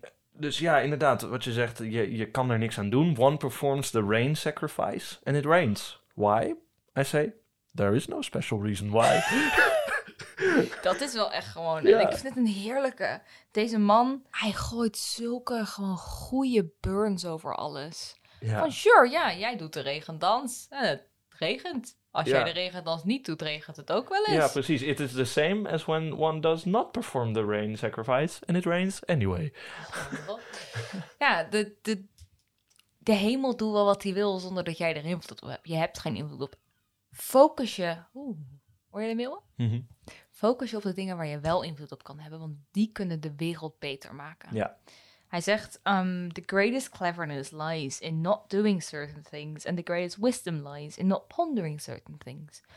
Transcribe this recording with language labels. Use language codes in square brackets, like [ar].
[nl] Dus, ja, inderdaad, wat je zegt, je kan er niks aan doen. [en] One performs the rain sacrifice and it rains. Why? I say, there is no special reason why. [nl] Dat is wel echt gewoon. Ja. En ik vind het een heerlijke. Deze man, hij gooit zulke gewoon goede burns over alles. Ja. Van sure, ja, jij doet de regendans. En het regent. Als jij de regendans niet doet, regent het ook wel eens. Ja, precies. [en] It is the same as when one does not perform the rain sacrifice and it rains anyway. [nl] Ja, de hemel doet wel wat hij wil zonder dat jij er invloed op hebt. Je hebt geen invloed op. Focus je. Hoor je de mail? Mm-hmm. Focus je op de dingen waar je wel invloed op kan hebben, want die kunnen de wereld beter maken. Ja. Hij zegt, [en] the greatest cleverness lies in not doing certain things and the greatest wisdom lies in not pondering certain things.